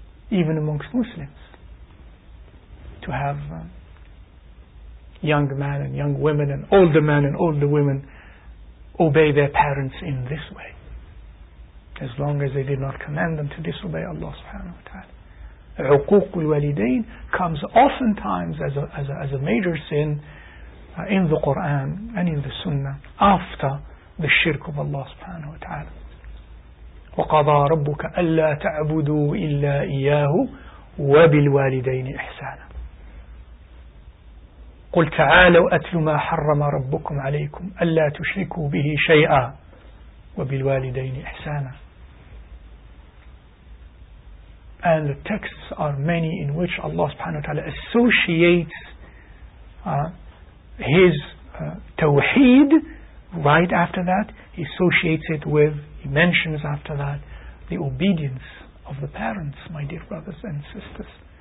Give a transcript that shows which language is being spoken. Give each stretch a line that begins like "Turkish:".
English: Even amongst Muslims, to have young men and young women and older men and older women obey their parents in this way, as long as they did not command them to disobey Allah
Arabic: subhanahu wa ta'ala. عقوق الوالدين
English: comes oftentimes as a major sin in the Quran and in the Sunnah after the shirk of Allah
Arabic: subhanahu wa ta'ala. وقضى ربك ألا تعبدوا إلا إياه وبالوالدين إحسانا قل تعالوا أتل ما حرم ربكم عليكم ألا تشركوا به شيئا وبالوالدين إحسانا.
English: And the texts are many in which Allah
Arabic: subhanahu wa ta'ala
English: associates his tawheed right after that. He associates it with, he mentions after that, the obedience of the parents, my dear brothers and sisters.